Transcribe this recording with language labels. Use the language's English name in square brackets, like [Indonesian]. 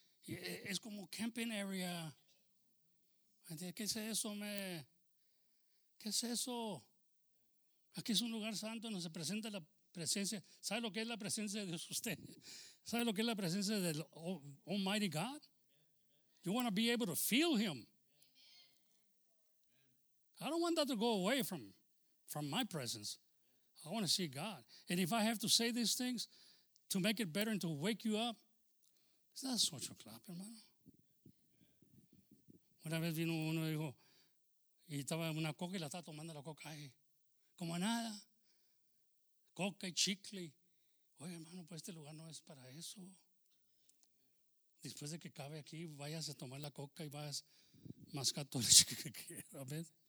[Spanish] Y es como camping area. ¿Qué es eso, me? ¿Qué es eso? Aquí es un lugar santo donde se presenta la presencia. ¿Sabe lo que es la presencia de Dios usted? ¿Sabe lo que es la presencia del [English] Almighty God? You want to be able to feel Him. I don't want that to go away from my presence. I want to see God. And if I have to say these things to make it better and to wake you up, is that a social club, [Spanish] hermano? Una vez vino uno y dijo, y estaba una coca y la estaba tomando la coca ahí. Como nada. Coca y chicle. Oye, hermano, pues este lugar no es para eso. Después de que cabe aquí, vayas a tomar la coca y vas a mascar todo el chicle que quieras. Amén.